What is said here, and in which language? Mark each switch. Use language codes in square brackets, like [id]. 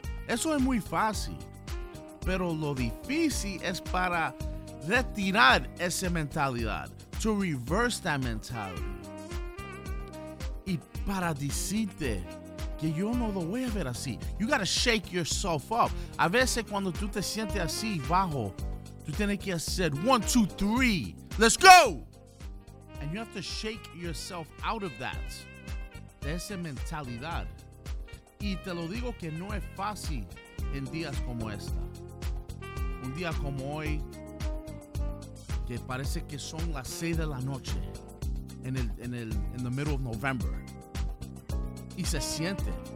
[es] Eso es muy fácil. Pero lo difícil es para retirar esa mentalidad. [en] To reverse that mentality. [es] Y para decirte que yo no lo voy a ver así. [en] You gotta shake yourself up. [es] A veces cuando tú te sientes así bajo, tú tienes que hacer 1, 2, 3. [en] Let's go! And you have to shake yourself out of that. [es] De esa mentalidad. Y te lo digo que no es fácil en días como esta. Un día como hoy, que parece que son las 6 de la noche. En [en] the middle of November. [es] Y se siente.